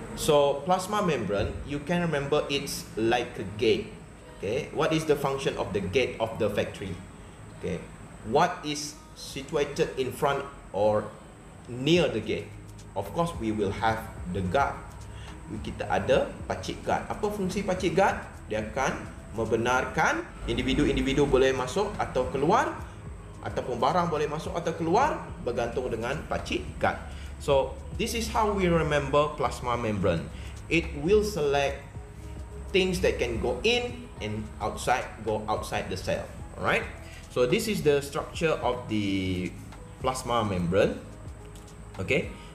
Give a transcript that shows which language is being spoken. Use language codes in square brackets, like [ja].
[en] So plasma membrane, you can remember it's like a gate. Okay, what is the function of the gate of the factory? Okay, what is situated in front or near the gate? Of course we will have the guard, [ms] kita ada pacik guard. Apa fungsi pacik guard? Dia akan membenarkan individu-individu boleh masuk atau keluar ataupun barang boleh masuk atau keluar bergantung dengan pacik guard. [en] So, this is how we remember plasma membrane. It will select things that can go in and outside, go outside the cell. Alright? So, this is the structure of the plasma membrane. Okay?